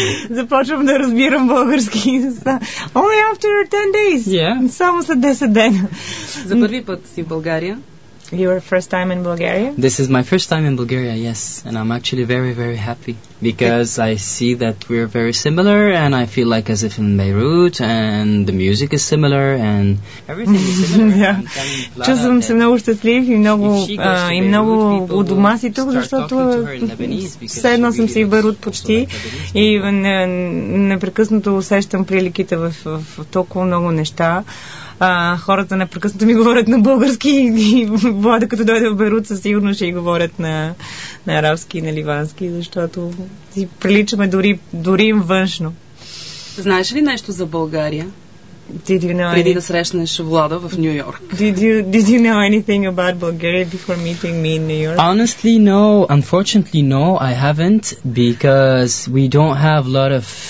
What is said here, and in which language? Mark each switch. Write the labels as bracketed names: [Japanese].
[Bulgarian] Започвам да разбирам български. [English] Only after 10 days. [Bulgarian] Само след 10 дена. За първи път си в България. [English] Your first time in Bulgaria? This is my first time in Bulgaria, yes. And I'm actually very, very happy because I see that we're very similar and I feel like as if in Beirut and the music is similar and everything is similar. [Bulgarian] Чувствам се много щастлив и много и много у дома си тук, защото все едно съм си в Бейрут почти и непрекъснато усещам приликите в толкова много неща. Хората непрекъснато ми говорят на български и Влада, като дойде в Бейрут, със сигурност ще и говорят на арабски и на ливански, защото си приличаме дори им външно. Знаеш ли нещо за България? [English] Did you know [Bulgarian] преди да срещнеш Влада в Нью Йорк? [English] Did you know anything about Bulgaria before meeting me in New York? Honestly, no. Unfortunately, no, I haven't, because we don't have a lot of